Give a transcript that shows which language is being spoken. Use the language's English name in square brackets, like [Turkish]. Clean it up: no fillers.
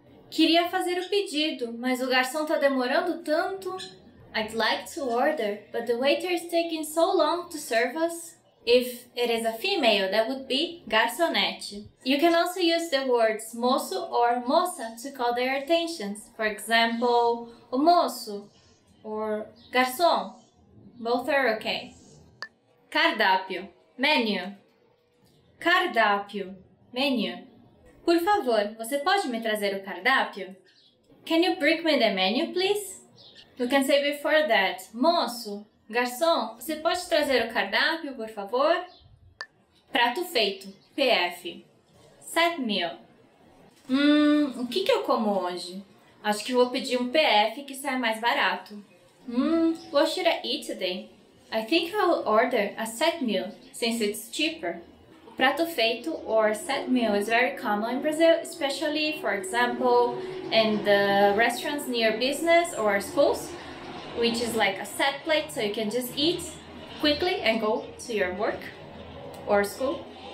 [Portuguese] Queria fazer o pedido, mas o garçom tá demorando tanto. [English] I'd like to order, but the waiter is taking so long to serve us. If it is a female, that would be garçonete. You can also use the words moço or moça to call their attentions. For example, o moço or garçom. Both are okay. Cardápio. Menu. Cardápio. Menu. [Portuguese] Por favor, você pode me trazer o cardápio? [English] Can you bring me the menu, please? You can say before that, [Portuguese] moço, garçom, você pode trazer o cardápio, por favor? [English] Prato feito, PF. Set meal. [Portuguese] O que eu como hoje? Acho que vou pedir um PF que sai mais barato. [English] What should I eat today? I think I'll order a set meal, since it's cheaper. Prato feito or set meal is very common in Brazil, especially, for example, in the restaurants near business or schools, which is like a set plate, so you can just eat quickly and go to your work or school.